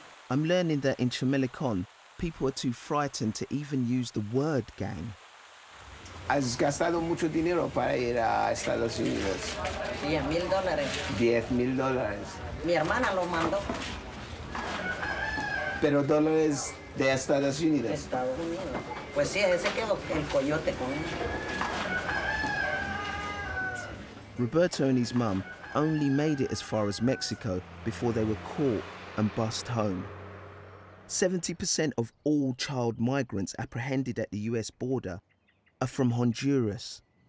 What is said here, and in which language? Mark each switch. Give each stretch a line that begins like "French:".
English: I'm learning that in Chamelecon, people are too frightened to even use the word gang.
Spanish: Has gastado mucho dinero para ir a Estados Unidos. $10,000. $10,000. Mi hermana lo mandó. Pero dólares de Estados Unidos. Estados Unidos. Pues sí, ese quedó el coyote con él.
English: Roberto and his mum only made it as far as Mexico before they were caught and bused home. 70% of all child migrants apprehended at the US border are from Honduras.